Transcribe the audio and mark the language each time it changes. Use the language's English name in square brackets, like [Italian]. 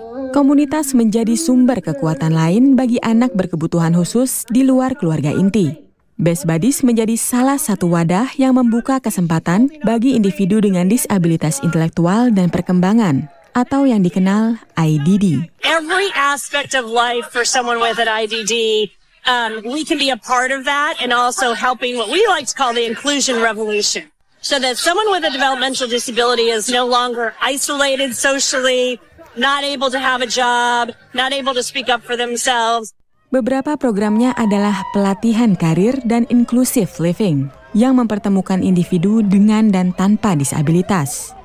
[Indonesian] Komunitas menjadi sumber kekuatan lain bagi anak berkebutuhan khusus di luar keluarga inti. Best Buddies menjadi salah satu wadah yang membuka kesempatan bagi individu dengan disabilitas intelektual dan perkembangan, atau yang dikenal IDD. [English] Every aspect of life for someone with an IDD, we can be a part of that and also helping what we like to call the inclusion revolution. So that someone with a developmental disability is no longer isolated socially, not able to have a job, not able to speak up for themselves. [Indonesian] Beberapa programnya adalah pelatihan karir dan inclusive living yang mempertemukan individu dengan dan tanpa disabilitas.